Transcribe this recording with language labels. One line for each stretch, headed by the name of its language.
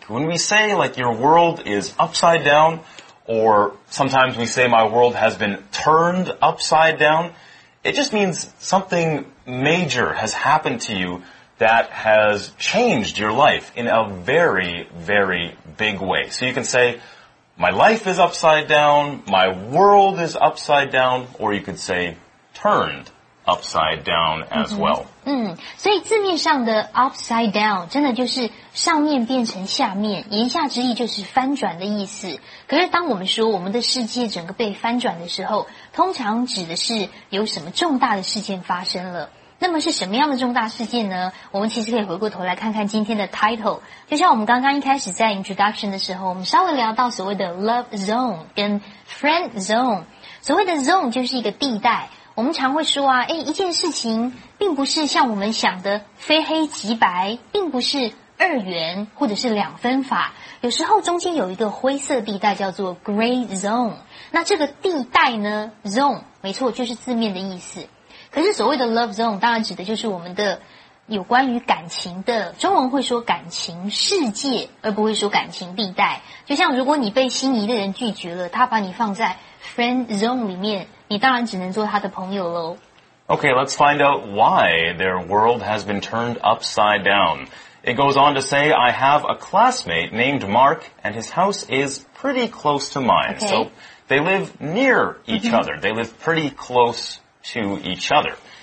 English: When we say, like, your world is upside down, or sometimes we say, my world has been turned upside down, it just means something major has happened to you that has changed your life in a very, very big way. So you can say,My life is upside down, my world is upside down, or you could say turned upside down as、mm-hmm. well.
Chinese: 嗯，所以字面上的 upside down 真的就是上面变成下面，言下之意就是翻转的意思。可是当我们说我们的世界整个被翻转的时候，通常指的是有什么重大的事件发生了。那么是什么样的重大事件呢？我们其实可以回过头来看看今天的 title。就像我们刚刚一开始在 introduction 的时候，我们稍微聊到所谓的 love zone 跟 friend zone。所谓的 zone 就是一个地带。我们常会说啊，哎，一件事情并不是像我们想的非黑即白，并不是二元或者是两分法。有时候中间有一个灰色地带叫做 gray zone。那这个地带呢 ，zone 没错，就是字面的意思。可是所谓的 love zone 当然指的就是我们的有关于感情的，中文会说感情世界，而不会说感情地带。就像如果你被心仪的人拒绝了，他把你放在 friend zone 里面，你当然只能做他的朋友咯。
English: Okay, let's find out why their world has been turned upside down. It goes on to say, I have a classmate named Mark, and his house is pretty close to mine. Okay. So they live near each other. They live pretty close to each other.